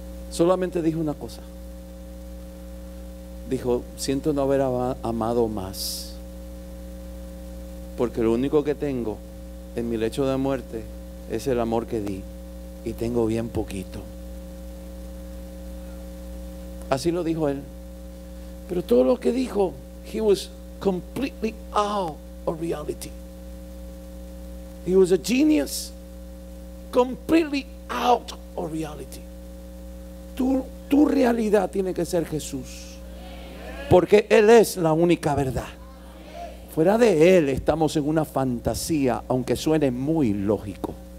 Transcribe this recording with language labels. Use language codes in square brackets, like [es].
[es] Solamente dijo una cosa. Dijo: siento no haber amado más, porque lo único que tengo en mi lecho de muerte es el amor que di, y tengo bien poquito. Así lo dijo él. Pero todo lo que dijo, [en] he was completely out of reality. He was a genius, completely out of reality. [es] Tu realidad tiene que ser Jesús, porque Él es la única verdad. Fuera de Él estamos en una fantasía, aunque suene muy lógico.